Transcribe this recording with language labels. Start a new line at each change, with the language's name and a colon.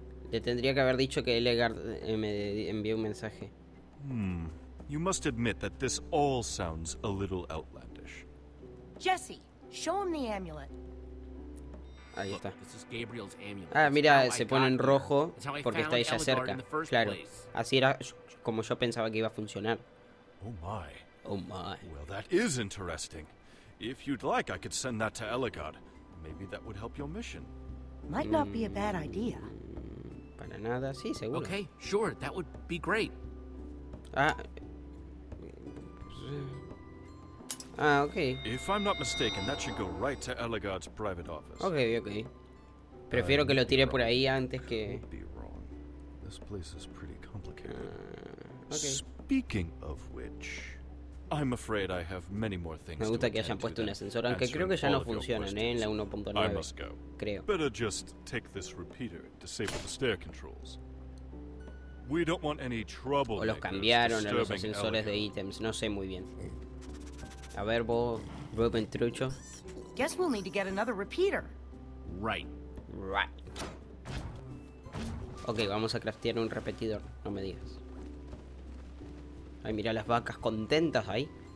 Spanish: Le tendría que haber dicho que Edgard me envió un mensaje. Hmm.
English: You must admit that this all sounds a little outlandish. Jesse, show him the amulet.
Spanish: Ahí está.
English: Look, this is Gabriel's amulet.
Spanish: Ah, mira, se pone en rojo porque está ella cerca. Claro. Así era como yo pensaba que iba a funcionar.
English: Oh my. Oh my. Well, that is interesting. If you'd like, I could send that to Edgard. Maybe that would help your mission. Might not be a bad idea.
Spanish: Para nada, sí, seguro.
English: Okay, sure, that would be great. Okay. If I'm not mistaken, that should go right to Edgard's private office. Okay.
Spanish: Prefiero que lo tire por ahí antes que.
English: This place is pretty complicated. Okay. Speaking of which, I'm afraid I have many more things.
Spanish: Me gusta que hayan puesto un ascensor, aunque creo que ya no funcionan en la 1.9. Creo.
English: Better just take this repeater and disable the stair controls. We don't want any trouble.
Spanish: O los cambiaron a los ascensores de ítems, no sé muy bien. A ver, Ruben Trucho.
English: Guess we'll need to get another repeater. Right.
Spanish: Okay, vamos a craftear un repetidor, no me digas. Ay, mira las vacas contentas ahí.